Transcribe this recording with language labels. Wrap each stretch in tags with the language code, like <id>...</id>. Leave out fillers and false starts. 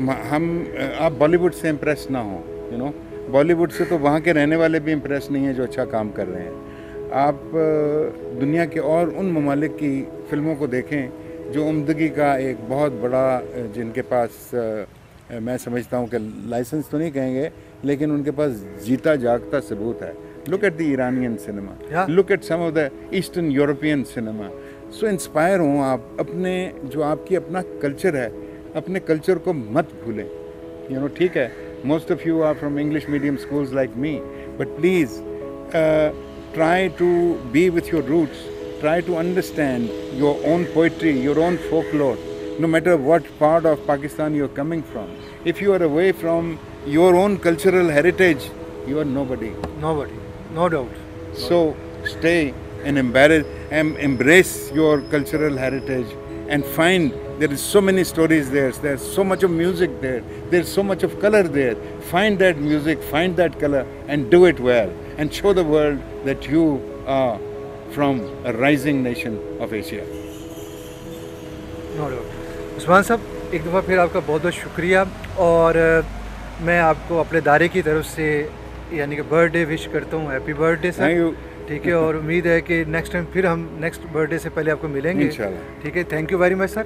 <ur>ہم آپ بالی would say impress نہ ہوں، you know Bali would say تو وہاں کے رہنے والے بھی امپریس نہیں ہیں جو اچھا کام کر رہے ہیں. آپ دنیا کے اور ان ممالک کی فلموں کو دیکھیں جو عمدگی کا ایک بہت بڑا، جن کے پاس میں سمجھتا ہوں کہ لائسنس تو نہیں کہیں گے لیکن ان کے پاس جیتا جاگتا ثبوت ہے.</ur> <en>Look at the Iranian cinema, look at some of the eastern European cinema.</en> <ur>So inspire ہوں آپ، اپنے جو آپ کی اپنا کلچر ہے، اپنے کلچر کو مت بھولیں.</ur> <en>you know</en> <ur>ٹھیک ہے</ur> <en>Most of you are from English medium schools like me, but please try to be with your roots, try to understand your own poetry, your own folklore. No matter what part of Pakistan you are coming from, if you are away from your own cultural heritage, you are nobody. Nobody, no doubt. So stay and embrace your cultural heritage and find there is so many stories there, there's so much of music there, there's so much of color there. Find that music, find that color and do it well and show the world that you are from a rising nation of Asia. No doubt.</en> <ur>عثمان صاحب، ایک دفعہ پھر آپ کا بہت بہت شکریہ، اور میں آپ کو اپنے ادارے کی طرف سے یعنی کہ برتھ ڈے وش کرتا ہوں.</ur> <en>Happy birthday sir.</en> <ur>ٹھیک ہے، اور امید ہے کہ نیکسٹ ٹائم پھر ہم نیکسٹ برتھ ڈے سے پہلے آپ کو ملیں گے. ٹھیک ہے،</ur> <en>Thank you very much sir.</en>